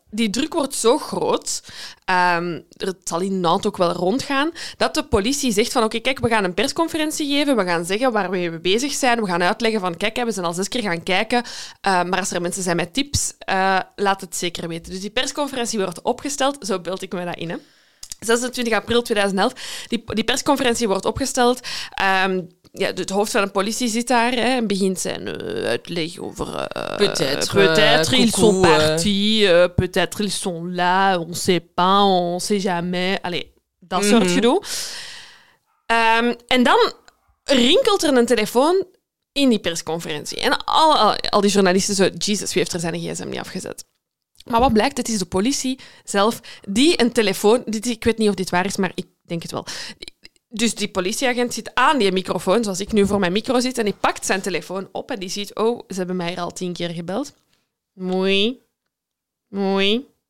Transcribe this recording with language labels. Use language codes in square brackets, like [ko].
[nl] Die druk wordt zo groot, het zal in Nantes ook wel rondgaan, dat de politie zegt van oké, kijk, we gaan een persconferentie geven, we gaan zeggen waar we mee bezig zijn, we gaan uitleggen van kijk, we zijn al 6 keer gaan kijken, maar als er mensen zijn met tips, laat het zeker weten. Dus die persconferentie wordt opgesteld, zo beeld ik me dat in, hè. 26 april 2011. Die persconferentie wordt opgesteld. Ja, het hoofd van de politie zit daar, hè, en begint zijn uitleg over... [fr] Peut-être ils sont partis, peut-être ils sont là, on sait pas, on sait jamais. [nl] Allee, dat soort gedoe. En dan rinkelt er een telefoon in die persconferentie. En al die journalisten zo, Jesus, wie heeft er zijn gsm niet afgezet? Maar wat blijkt, het is de politie zelf die een telefoon... Ik weet niet of dit waar is, maar ik denk het wel... Dus die politieagent zit aan die microfoon, zoals ik nu voor mijn micro zit, en die pakt zijn telefoon op en die ziet, oh, ze hebben mij al 10 keer gebeld. Mooi. Mooi.